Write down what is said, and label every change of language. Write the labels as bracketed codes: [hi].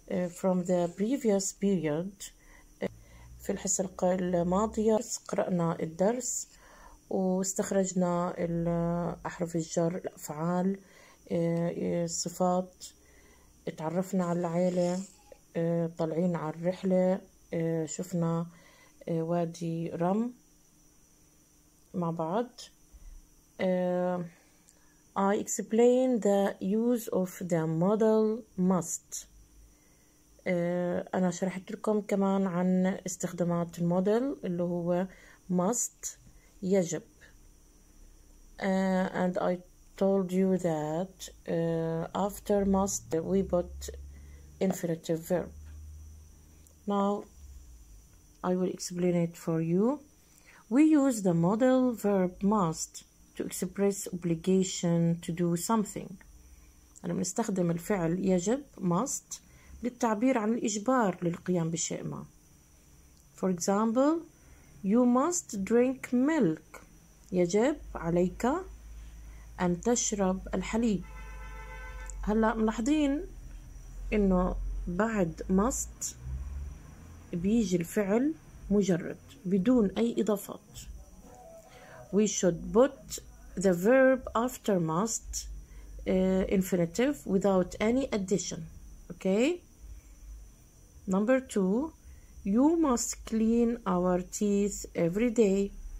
[en] From the previous period, [ar] في الحصة الماضية قرأنا الدرس واستخرجنا أحرف الجر الأفعال الصفات تعرفنا على العيلة طالعين على الرحلة شفنا وادي رم مع بعض. [en] I explain the use of the model must. [ar] أنا شرحت لكم كمان عن استخدامات الموديل اللي هو must يجب. [en] And I told you that after must we put infinitive verb. Now, I will explain it for you. We use the modal verb must to express obligation to do something. [ar] أنا بنستخدم الفعل يجب must للتعبير عن الإجبار للقيام بشيء ما. [en] For example, you must drink milk. [ar] يجب عليك أن تشرب الحليب. هلأ ملاحظين إنه بعد must بيجي الفعل مجرد بدون أي إضافات. [en] We should put the verb after must infinitive without any addition. Okay. Number two, you must clean our teeth every day.